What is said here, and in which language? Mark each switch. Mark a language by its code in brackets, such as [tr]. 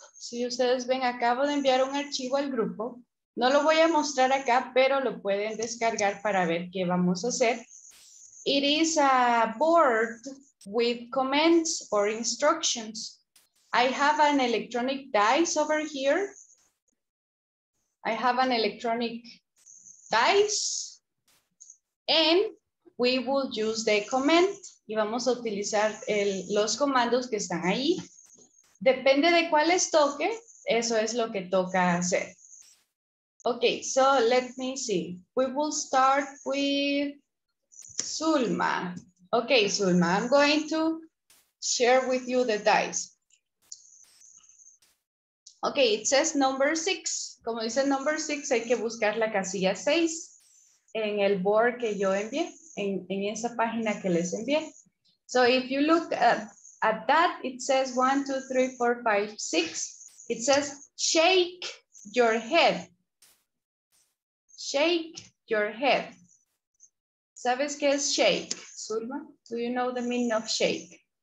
[es] Si ustedes ven, acabo de enviar un archivo al grupo. No lo voy a mostrar acá, pero lo pueden descargar para ver qué vamos a hacer. [en] It is a board with comments or instructions. I have an electronic dice over here. I have an electronic dice. And we will use the comment. [es] Y vamos a utilizar el, los comandos que están ahí. Depende de cuáles toque, eso es lo que toca hacer. [en] Okay, so let me see. We will start with Zulma. Okay, Zulma, I'm going to share with you the dice. Okay, it says number six. [es] Como dice number six, hay que buscar la casilla seis en el board que yo envié, en esa página que les envié. [en] So if you look at that, it says 1, 2, 3, 4, 5, 6. It says shake your head. Shake your head. [es] ¿Sabes qué es shake, Zulma? [en] Do you know the meaning of shake?